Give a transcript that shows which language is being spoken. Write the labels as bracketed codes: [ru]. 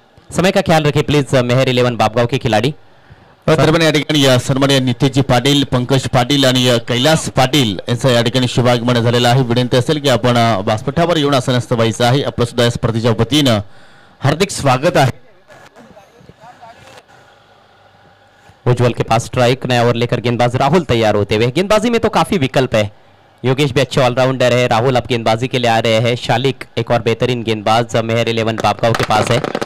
[hi] समय का ख्याल रखें प्लीज, मेहर 11 बापगाव के खिलाड़ी [mr] सन्मान्य नितेशजी पाटील, पंकज पाटील आणि कैलास पाटील यांचं या ठिकाणी शुभागमन झालेलं आहे। विनंती असेल की आपण व्यासपीठावर येऊन असण्यास व्हायचं आहे। आपलं सुद्धा या स्पर्धेच्या वतीनं हार्दिक स्वागत आहे। [hi] उज्ज्वल के पास स्ट्राइक, नया ओवर लेकर गेंदबाज राहुल तैयार होते हुए। गेंदबाजी में तो काफी विकल्प है, योगेश भी अच्छे ऑलराउंडर है, राहुल अब गेंदबाजी के लिए आ रहे हैं, शालिक एक और बेहतरीन गेंदबाज मेहर 11 बापगांव के पास है।